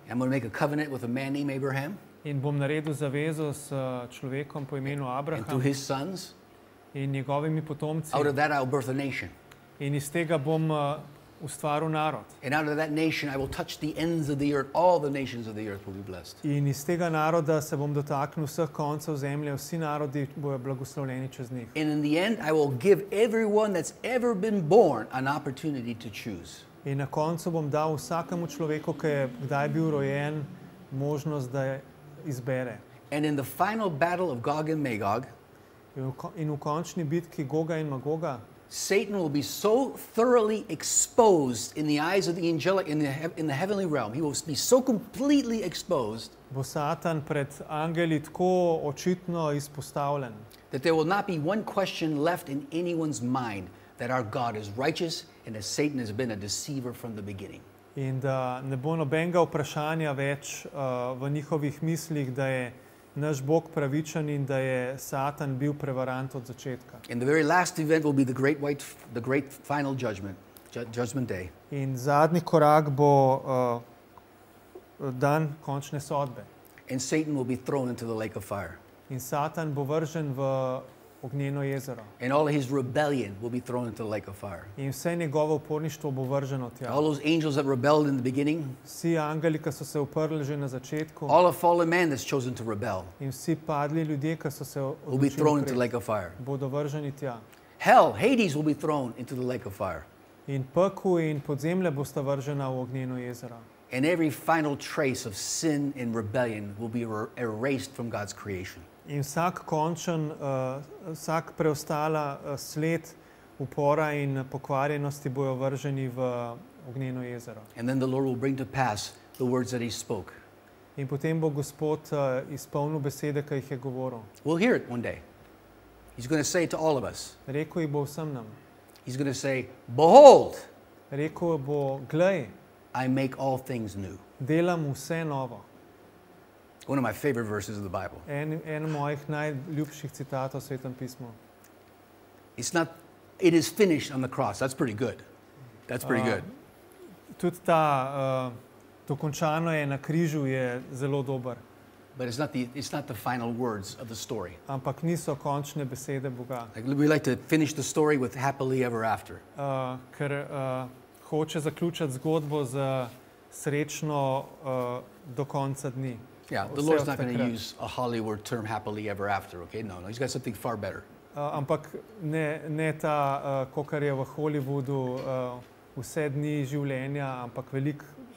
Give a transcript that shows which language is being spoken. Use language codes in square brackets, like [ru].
[en] I'm going to make a covenant with a man named Abraham. [sl] In bom naredil zavezo s človekom po imenu Abraham. [en] And through his sons. [sl] In njegovimi potomci. [en] Out of that I'll birth a nation. [sl] In iz tega bom ustvaril narod. [en] And out of that nation I will touch the ends of the earth. All the nations of the earth will be blessed. [sl] In iz tega naroda se bom dotaknil vseh koncev zemlje. Vsi narodi bojo blagoslovljeni čez njih. [en] And in the end I will give everyone that's ever been born an opportunity to choose. [sl] In na koncu bom dal vsakemu človeku, ki je kdaj bil rojen, možnost, da izbere. [en] And in the final battle of Gog and Magog, [sl] in v končni bitki Goga in Magoga, [en] Satan will be so thoroughly exposed in the eyes of the angelic in the heavenly realm. He will be so completely exposed. [sl] Bo Satan pred angeli tako očitno izpostavljen. [en] That there will not be one question left in anyone's mind that our God is righteous and that Satan has been a deceiver from the beginning. [sl] In da ne bo nobenega vprašanja več v njihovih mislih, da je naš Bog pravičen in da je Satan bil prevarant od začetka. [en] And the very last event will be the great white, the great final judgment, judgment day. [sl] In zadnji korak bo dan končne sodbe. [en] And Satan will be thrown into the lake of fire. [sl] In Satan bo vržen v ognjeno jezero. [en] And all his rebellion will be thrown into the lake of fire. [sl] In vse njegovo uporništvo bo vrženo tja. [en] All those angels that rebelled in the beginning. [sl] Vsi angeli, ki so se uprli že na začetku. [en] All the fallen man that's chosen to rebel. [sl] In vsi padli ljudje, ki so se odločili. [en] Will be thrown into the lake of fire. [sl] Bodo vrženi tja. [en] Hell, Hades will be thrown into the lake of fire. [sl] In pekel in podzemlje bosta vržena v ognjeno jezero. [en] And every final trace of sin and rebellion will be erased from God's creation. [sl] In vsak končen, vsak preostala sled upora in pokvarjenosti bojo vrženi v ognjeno jezero. [en] And then the Lord will bring to pass the words that he spoke. [sl] In potem bo Gospod izpolnil besede, ki jih je govoril. [en] We'll hear it one day. He's going to say it to all of us. [sl] Rekel bo vsem nam. [en] He's going to say, behold. [sl] Rekel bo, glej. [en] I make all things new. [sl] Delam vse novo. [en] One of my favorite verses of the Bible. [sl] En mojih najljubših citatov v Svetem pismu. [en] It's not, it is finished on the cross. That's pretty good. That's pretty good. [sl] Tudi ta dokončano je na križu je zelo dober. [en] But it's not the final words of the story. [sl] Ampak niso končne besede Boga. [en] We like to finish the story with happily ever after. [sl] Ker hoče zaključati zgodbo z srečno do konca dni. [en] Yeah, the Lord's not going to use a Hollywood term happily ever after, okay? No, he's got something far better. [sl] Ampak ne ta kakor je v Hollywoodu vse dni življenja, ampak veliko boljše.